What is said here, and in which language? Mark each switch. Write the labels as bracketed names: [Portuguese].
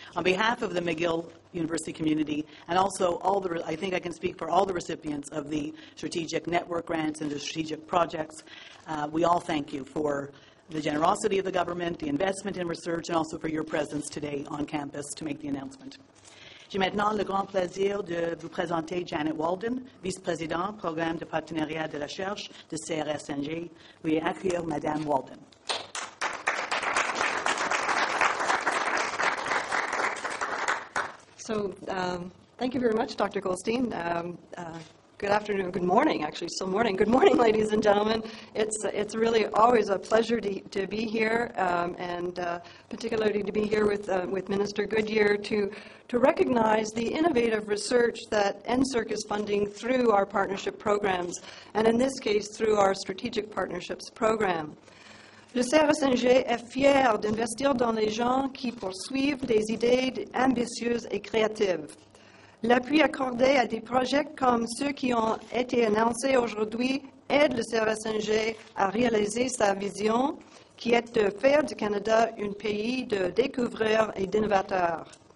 [English] On behalf of the McGill University community and also all the, I think I can speak for all the recipients of the strategic network grants and the strategic projects, we all thank you for the generosity of the government, the investment in research, and also for your presence today on campus to make the announcement. [French] J'ai maintenant le grand plaisir de vous présenter Janet Walden, vice-présidente, Programme de partenariat de recherche de CRSNG. Veuillez accueillir Madame Walden. [English] So, thank you very much, Dr. Goldstein. Good afternoon, good morning, actually, still morning. Good morning, ladies and gentlemen. It's really always a pleasure to be here, particularly to be here with Minister Goodyear to recognize the innovative research that NSERC is funding through our partnership programs, and in this case, through our strategic partnerships program. [French] Le CRSNG est fier d'investir dans les gens qui poursuivent des idées ambitieuses et créatives. L'appui accordé à des projets comme ceux qui ont été annoncés aujourd'hui aide le CRSNG à réaliser sa vision, qui est de faire du Canada un pays de découvreurs et d'innovateurs.